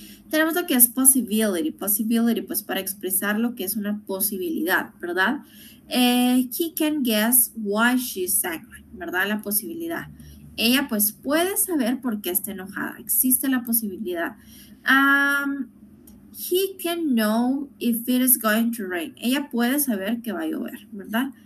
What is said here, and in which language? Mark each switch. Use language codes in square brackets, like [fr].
[es] Tenemos lo que es possibility. Possibility, pues para expresar lo que es una posibilidad, ¿verdad? [en] He can guess why she's angry, [es] ¿verdad? La posibilidad. Ella, pues, puede saber por qué está enojada. Existe la posibilidad. [en] He can know if it is going to rain. [es] Ella puede saber que va a llover, ¿verdad?